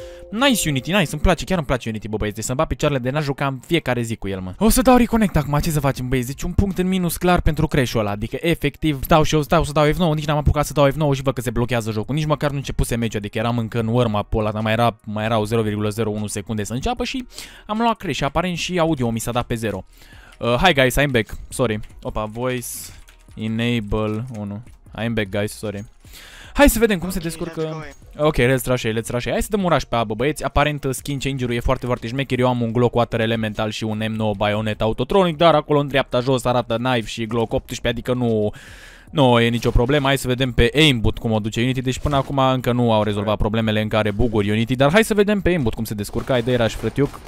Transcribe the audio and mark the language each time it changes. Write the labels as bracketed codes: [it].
[ro] Nice Unity, nice, îmi place, chiar îmi place Unity, bă băieți, deci să-mi bat picioarele de n-a juca în fiecare zi cu el, mă. O să dau reconnect acum, ce să facem, băieți, deci un punct în minus clar pentru crash-ul ăla, adică efectiv stau și eu stau să dau F9, nici n-am apucat să dau F9 și văd că se blochează jocul, nici măcar nu începuse meciul, adică eram încă în warm-up ăla, dar mai erau 0,01 secunde să înceapă și am luat crash, aparent și audio mi s-a dat pe 0. [en] Hi guys, I'm back, sorry, opa, voice, enable, 1, I'm back guys, sorry. [ro] Hai să vedem cum okay, se descurcă. [en] Ok, let's rush. [ro] Hai să dăm uraș pe abă, băieți. Aparent skin changer-ul e foarte, foarte șmecher. Eu am un Glock Water Elemental și un M9 Bayonet Autotronic, dar acolo în dreapta jos arată knife și Glock 18, adică nu e nicio problemă. Hai să vedem pe aimbot cum o duce Unity. Deci până acum încă nu au rezolvat problemele în care buguri Unity, dar hai să vedem pe aimbot cum se descurcă. Hai, dă-i rush, frătiuc.